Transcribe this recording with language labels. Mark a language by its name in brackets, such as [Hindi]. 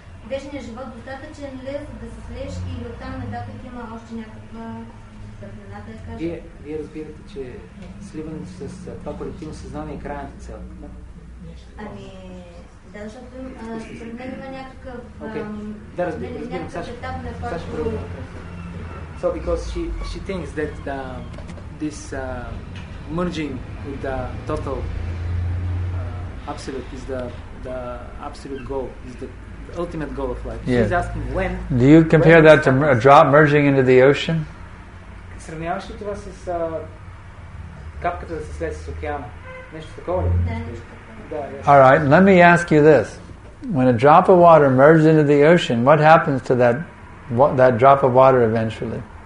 [Bulgarian] Вечният живот достатъчен ли, за да се слееш и оттам нататък има още някаква съпнена, да я кажа? Вие разбирате, че сливането с това колективно съзнание е крайната цел, така? Ами, да, защото пред мен има някакъв... [English] Okay. [Bulgarian] Да, разбирам, разбирам, Саша ще пробвам. [English] So, because she thinks that this merging with the total absolute is the absolute goal, is the ultimate goal of life. Yeah. She's asking when... Do you compare that to a drop merging into the ocean? [Bulgarian] Сравняваш ли това с капката да се слезе с океана? Нещо такова ли? Да, нещо такова. [English] All right, let me ask you this. When a drop of water merges into the ocean, what happens to that that drop of water eventually?